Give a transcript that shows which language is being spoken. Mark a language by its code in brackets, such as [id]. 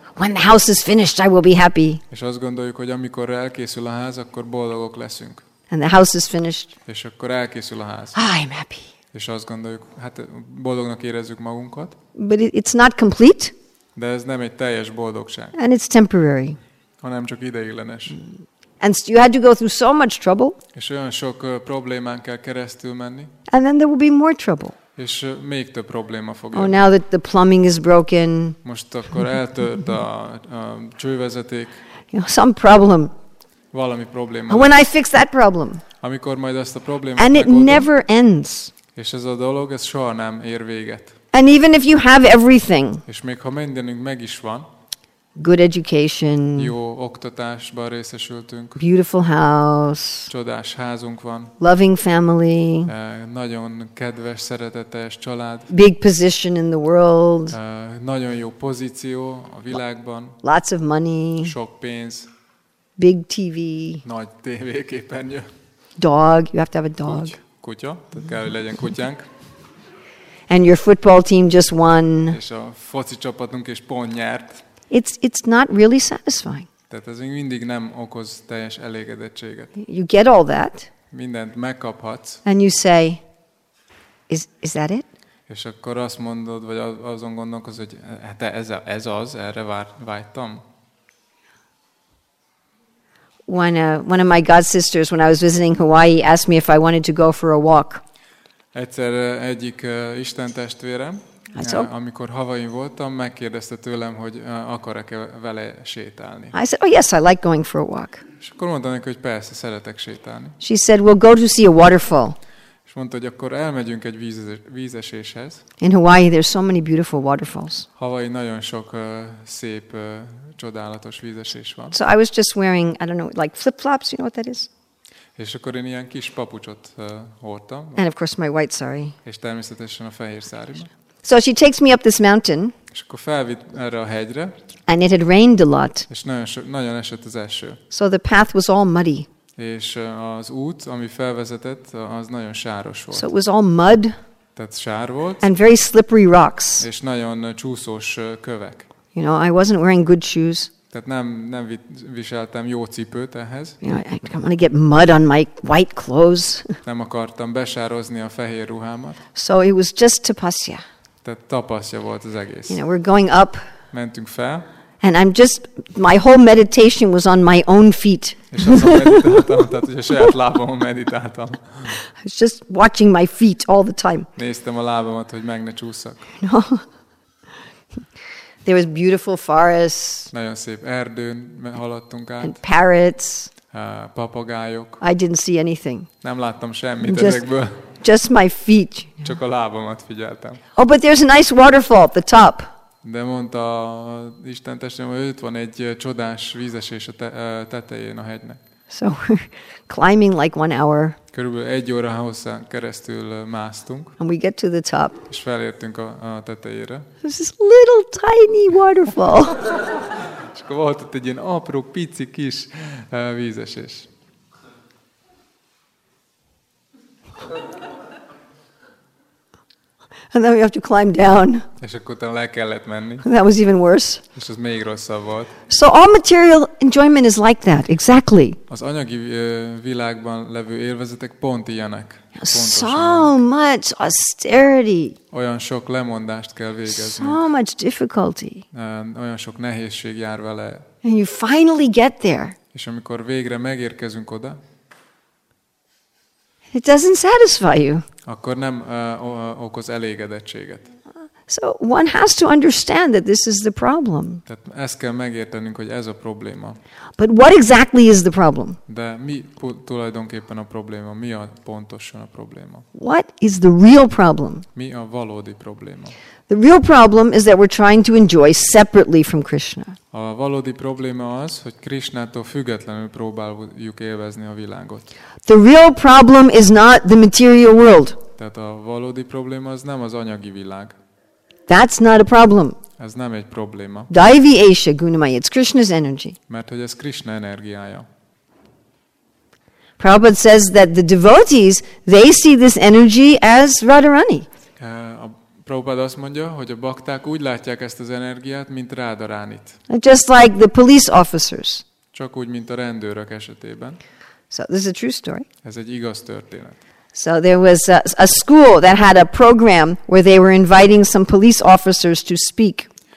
[en] When the house is finished, I will be happy. [hu] És azt gondoljuk, hogy amikor elkészül a ház, akkor boldogok leszünk. [en] And the house is finished. [hu] És akkor elkészül a ház. [en] I'm happy. [hu] És azt gondoljuk, hát boldognak érezzük magunkat. [en] But it's not complete. [hu] De ez nem egy teljes boldogság. [en] And it's temporary. [hu] Hanem csak ideiglenes. [en] And you had to go through so much trouble. [hu] És olyan sok problémán kell keresztül menni. [en] And then there will be more trouble. [hu] És még több probléma fog jönni. [en] Oh, now that the plumbing is broken. [hu] Most akkor eltört a csővezeték. [en] You know, some problem. [hu] Valami probléma. [en] And when I fix that problem. [hu] Amikor majd azt a problémát megoldom. [en] And it never ends. [hu] És ez a dolog, ez soha nem ér véget. [en] And even if you have everything. [hu] És még ha mindenünk meg is van. [en] Good education. [hu] Jó oktatásban részesültünk. [en] Beautiful house. [hu] Csodás házunk van. [en] Loving family. [hu] Nagyon kedves, szeretetes család. [en] Big position in the world. [hu] Nagyon jó pozíció a világban. [en] Lots of money. [hu] Sok pénz. [en] Big TV. [hu] Nagy tévéképernyő. [en] Dog. You have to have a dog. [hu] Kutya. Tehát kell, hogy legyen kutyánk. [en] And your football team just won. [hu] És a foci csapatunk is pont nyert. [en] It's not really satisfying. [hu] Tehát ez még mindig nem okoz teljes elégedettséget. [en] You get all that. [hu] Mindent megkaphatsz. [en] And you say, is that it? [hu] És akkor azt mondod, vagy azon gondolkozod, hogy hát ez az, erre vágytam. [en] One of my god sisters, when I was visiting Hawaii, asked me if I wanted to go for a walk. [hu] Egyszer egyik Isten testvérem. Amikor Hawaii-n voltam, megkérdezte tőlem, hogy akarok-e vele sétálni. [en] I said, oh yes, I like going for a walk. [hu] És akkor mondta neki, hogy persze, szeretek sétálni. [en] She said, we'll go to see a waterfall. [hu] És mondta, hogy akkor elmegyünk egy vízeséshez. [en] In Hawaii, there's so many beautiful waterfalls. [hu] Hawaii nagyon sok szép, csodálatos vízesés van. [en] So I was just wearing, I don't know, like flip-flops, you know what that is? [hu] És akkor én ilyen kis papucsot hordtam. [en] And of course my white sari. [hu] És természetesen a fehér sárimat. [en] So she takes me up this mountain. [hu] És akkor felvitt erre a hegyre. [en] And it had rained a lot. [hu] És nagyon esett az eső. [en] So the path was all muddy. [hu] És az út, ami felvezetett, az nagyon sáros volt. [en] So it was all mud. [hu] Tehát sár volt. [en] And very slippery rocks. [hu] És nagyon csúszós kövek. [en] You know, I wasn't wearing good shoes. [hu] Tehát nem viseltem jó cipőt ehhez. [en] You know, I didn't want to get mud on my white clothes. [hu] Nem akartam besározni a fehér ruhámat. [en] So it was just tapasya. [hu] Tehát tapasztja volt az egész. [en] You know, we're going up. [hu] Mentünk fel. [en] And I'm just, my whole meditation was on my own feet. [hu] És azon meditáltam, tehát hogy a saját lábamon meditáltam. [en] I was just watching my feet all the time. [hu] Néztem a lábamat, hogy meg ne csúszak. [en] No. There was beautiful forests. [hu] Nagyon szép erdőn haladtunk át. [en] And parrots. [hu] Papagájok. [en] I didn't see anything. [hu] Nem láttam semmit ezekből. [en] Just my feet. [hu] Csak a lábamat figyeltem. [en] Oh, but there's a nice waterfall at the top. [hu] De mondta Isten testvérem, hogy ott van egy csodás vízesés a tetején a hegynek. [en] So climbing like 1 hour. [hu] Körülbelül egy óra hosszán keresztül másztunk. [en] And we get to the top. [hu] És felértünk a tetejére. [en] This is little tiny waterfall. [hu] És akkor volt ott egy ilyen apró, pici kis vízesés. [en] And then we have to climb down. [hu] És akkor utána le kellett menni. [en] That was even worse. [hu] És az még rosszabb volt. [en] So all material enjoyment is like that, exactly. [hu] Az anyagi világban levő élvezetek pont ilyenek. [en] So much austerity. [hu] Olyan sok lemondást kell végezni. [en] So much difficulty. [hu] Olyan sok nehézség jár vele. [en] And you finally get there. [hu] És amikor végre megérkezünk oda. [en] It doesn't satisfy you. [hu] Akkor nem okoz elégedettséget. [en] So one has to understand that this is the problem. [hu] Tehát ezt kell megértenünk, hogy ez a probléma. [en] But what exactly is the problem? [hu] De mi tulajdonképpen a probléma? Mi a pontosan a probléma? [en] What is the real problem? [hu] Mi a valódi probléma? [en] The real problem is that we're trying to enjoy separately from Krishna. [hu] A valódi probléma az, hogy Krishnától függetlenül próbáljuk élvezni a világot. [en] The real problem is not the material world. [hu] Tehát a valódi probléma az nem az anyagi világ. [en] That's not a problem. [hu] Ez nem egy probléma. [sa] Daivi esha gunamaya, [en] it's Krishna's energy. [hu] Mert hogy ez Krishna energiája. [en] Prabhupada says that the devotees, they see this energy as Radharani. [hu] A Prabhupada azt mondja, hogy a bakták úgy látják ezt az energiát, mint rádaránit. [en] Just like the police officers. [hu] Csak úgy, mint a rendőrök esetében. [en] So this is a true story. [hu] Ez egy igaz történet. [en] So there was a school that had a program where they were inviting some police officers to speak.